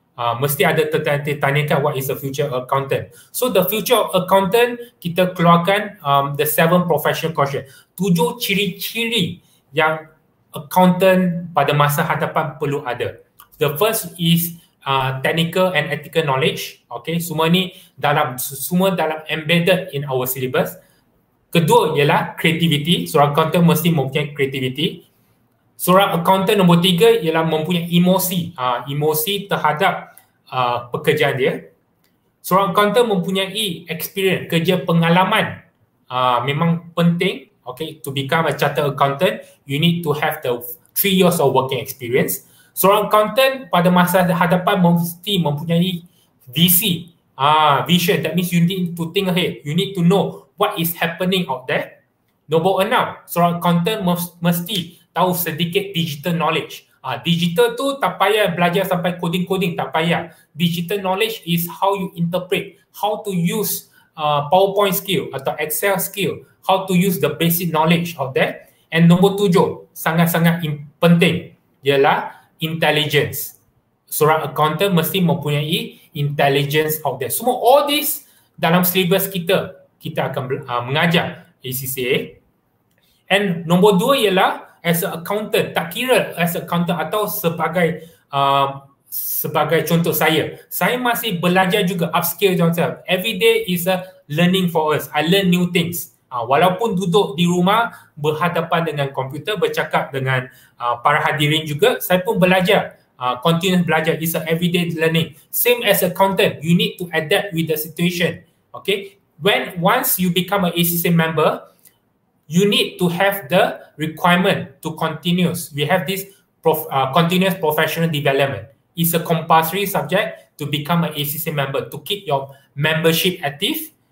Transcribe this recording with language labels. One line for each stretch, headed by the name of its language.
Malay: Mesti ada tertanyakan
English: what is the future of accountant. So, the future of accountant,
Malay: kita keluarkan
English: the 7 professional quotient.
Malay: 7 ciri-ciri yang accountant pada masa hadapan perlu ada.
English: The first is technical and ethical knowledge.
Malay: Okay, semua ni semua dalam
English: embedded in our syllabus.
Malay: Kedua ialah creativity. Seorang accountant mesti mempunyai creativity. Seorang accountant nombor 3 ialah mempunyai emosi. Emosi terhadap pekerjaan dia. Seorang accountant mempunyai experience, kerja pengalaman. Memang penting.
English: Okay, to become a chartered accountant, you need to have the 3 years of working experience.
Malay: Seorang accountant pada masa hadapan mesti mempunyai vision.
English: That means you need to think ahead. You need to know what is happening out there.
Malay: Nombor 6, seorang accountant mesti tahu sedikit digital knowledge. Digital tu tak payah belajar sampai coding-coding, tak payah.
English: Digital knowledge is how you interpret, how to use PowerPoint skill
Malay: atau
English: Excel skill, how to use the basic knowledge of that.
Malay: And nombor 7, sangat-sangat penting, ialah intelligence. Seorang accountant mesti mempunyai intelligence of that. Semua
English: all this
Malay: dalam syllabus kita, kita akan mengajar ACCA. And nombor 2 ialah
English: as an accountant,
Malay: tak kira as an accountant atau sebagai sebagai contoh saya. Saya masih belajar juga,
English: upskill myself. Every day is a learning for us. I learn new things.
Malay: Walaupun duduk di rumah berhadapan dengan komputer, bercakap dengan para hadirin juga, saya pun belajar,
English: continuous
Malay: belajar.
English: It's a everyday learning. Same as accountant, you need to adapt with the situation. Okay? Once you become an ACCA member, you need to have the requirement to continuous. We have this continuous professional development. It's a compulsory subject to become an ACCA member, to keep your membership active.